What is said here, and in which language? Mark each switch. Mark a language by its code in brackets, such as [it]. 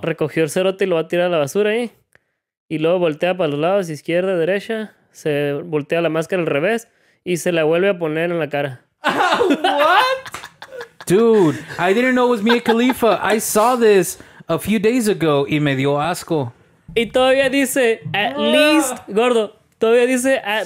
[es] Recogió el cerote y lo va a tirar a la basura ahí. Y luego voltea para los lados, izquierda, derecha. Se voltea la máscara al revés y se la vuelve a poner en la cara. [en] What? Dude, I didn't know it was Mia Khalifa. I saw this a few days ago [es] y me dio asco. Y todavía dice, [en] at least, [es] gordo, todavía dice, at